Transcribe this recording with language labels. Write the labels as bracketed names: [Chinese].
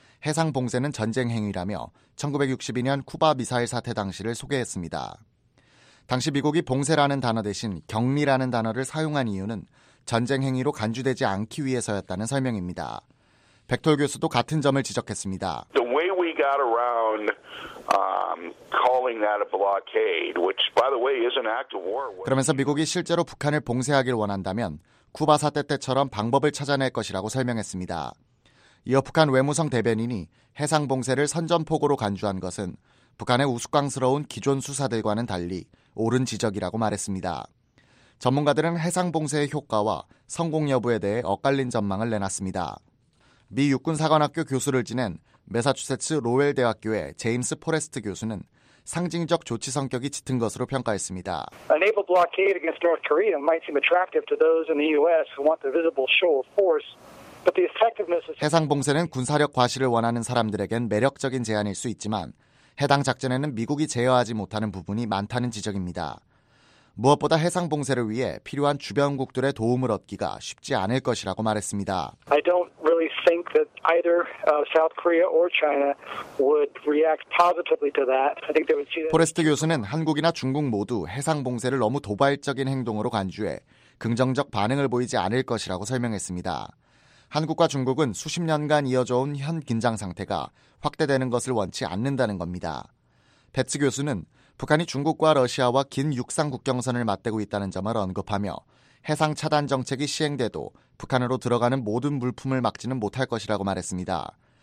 [Korean] 해상 봉쇄는 전쟁 행위라며 1962년 쿠바 미사일 사태 당시를 소개했습니다. 당시 미국이 봉쇄라는 단어 대신 격리라는 단어를 사용한 이유는 전쟁 행위로 간주되지 않기 위해서였다는 설명입니다. 백톨 교수도 같은 점을 지적했습니다. [English] The way we got around calling that a blockade, which by the way is an act of war. [Korean] 그러면서 미국이 실제로 북한을 봉쇄하길 원한다면 쿠바 사태 때처럼 방법을 찾아낼 것이라고 설명했습니다. 이어 북한 외무성 대변인이 해상 봉쇄를 선전포고로 간주한 것은 북한의 우스꽝스러운 기존 수사들과는 달리 옳은 지적이라고 말했습니다. 전문가들은 해상 봉쇄의 효과와 성공 여부에 대해 엇갈린 전망을 내놨습니다. 미 육군사관학교 교수를 지낸 매사추세츠 로웰 대학교의 제임스 포레스트 교수는 상징적 조치 성격이 짙은 것으로 평가했습니다. [English] A naval blockade against North Korea might seem attractive to those in the U.S. who want the visible show of force. [Korean] 해상 봉쇄는 군사력 과시를 원하는 사람들에겐 매력적인 제안일 수 있지만 해당 작전에는 미국이 제어하지 못하는 부분이 많다는 지적입니다. 무엇보다 해상 봉쇄를 위해 필요한 주변국들의 도움을 얻기가 쉽지 않을 것이라고 말했습니다. [English] I don't really think that either South Korea or China would react positively to that. I think they would see. [Korean] 포레스트 교수는 한국이나 중국 모두 해상 봉쇄를 너무 도발적인 행동으로 간주해 긍정적 반응을 보이지 않을 것이라고 설명했습니다. 한국과 중국은 수십 년간 이어져온 현 긴장 상태가 확대되는 것을 원치 않는다는 겁니다. 베츠 교수는 북한이 중국과 러시아와 긴 육상 국경선을 맞대고 있다는 점을 언급하며 해상 차단 정책이 시행돼도 북한으로 들어가는 모든 물품을 막지는 못할 것이라고 말했습니다.